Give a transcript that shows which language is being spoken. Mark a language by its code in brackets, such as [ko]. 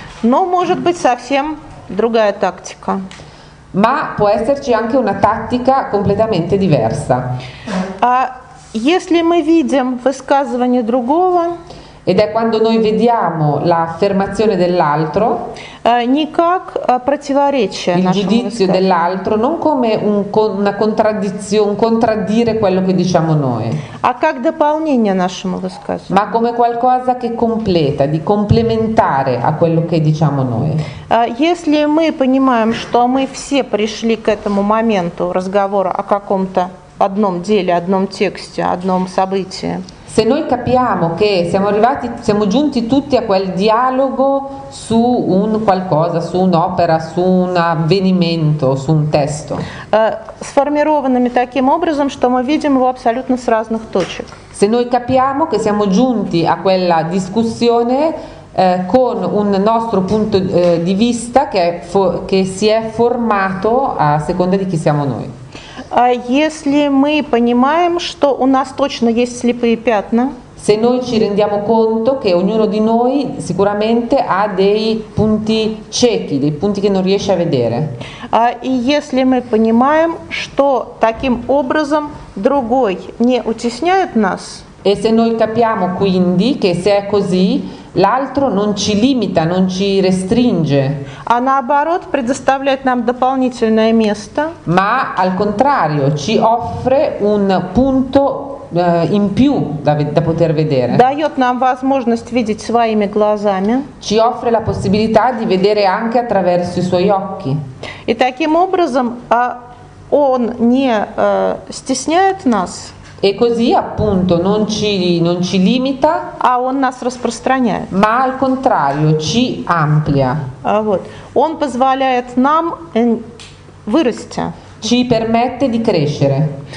[ru] Но может быть совсем другая тактика. [it] Ma può esserci anche una tattica completamente diversa. [ru] А если мы видим высказывание другого, [it] ed è quando noi vediamo l'affermazione dell'altro, [ru] никак противоречие [it] il giudizio dell'altro non come una contraddizione, contraddire quello che diciamo noi, [ru] а как дополнение нашему высказыванию, [it] ma come qualcosa che completa, di complementare a quello che diciamo noi. [ru] Если мы понимаем, что мы все пришли к этому моменту разговора о каком-то одном деле, одном тексте, одном событии. [it] Se noi capiamo che siamo giunti tutti a quel dialogo su un qualcosa, su un'opera, su un avvenimento, su un testo. [ru] Сформированными таким образом, что мы видим его абсолютно с разных точек. [it] Se noi capiamo che siamo giunti a quella discussione con un nostro punto di vista che si è formato a seconda di chi siamo noi. [ru] Если мы понимаем, что у нас точно есть слепые пятна, [it] se noi ci rendiamo conto che ognuno di noi sicuramente ha dei punti ciechi, dei punti che non riesce a vedere. [ru] И если мы понимаем, что таким образом другой не утесняет нас, [it] e se noi capiamo quindi che se è così l'altro non ci limita, non ci restringe. [ru] А наоборот, предоставляет нам дополнительное место. [it] Ma al contrario, ci offre un punto in più da poter vedere. [ru] Дает нам возможность видеть своими глазами. [it] Ci offre la possibilità di vedere anche attraverso i suoi occhi. [ru] И таким образом, он не стесняет нас. [it] E così appunto non ci limita, [ru] а он нас распространяет. [it] Ma al contrario ci amplia. [ru] Вот. Он позволяет нам вырасти. [it] Ci permette di crescere.